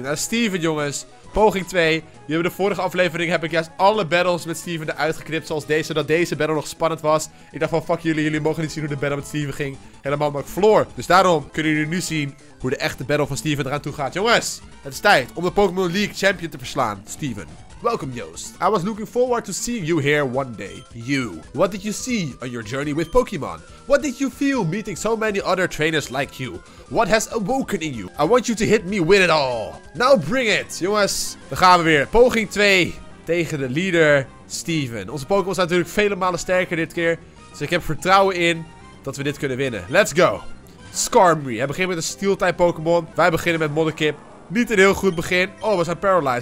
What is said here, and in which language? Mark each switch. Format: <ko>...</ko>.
<nl>Naar Steven jongens, poging 2. Jullie hebben de vorige aflevering, heb ik juist alle battles met Steven eruit geknipt. Zoals deze, dat deze battle nog spannend was. Ik dacht van, fuck jullie, jullie mogen niet zien hoe de battle met Steven ging. Helemaal maar floor. Dus daarom kunnen jullie nu zien hoe de echte battle van Steven eraan toe gaat. Jongens, het is tijd om de Pokémon League champion te verslaan, Steven.</nl> <en>Welcome, Joost. I was looking forward to seeing you here one day. You. What did you see on your journey with Pokémon? What did you feel meeting so many other trainers like you? What has awoken in you? I want you to hit me with it all. Now bring it.</en> <nl>Jongens, daar gaan we weer. Poging 2 tegen de leader, Steven. Onze Pokémon zijn natuurlijk vele malen sterker dit keer. Dus ik heb vertrouwen in dat we dit kunnen winnen.</nl> <en>Let's go.</en> <nl>Skarmory. Hij begint met een Steel-type Pokémon. Wij beginnen met Modekip. Niet een heel goed begin. Oh, we zijn paralyzed.</nl>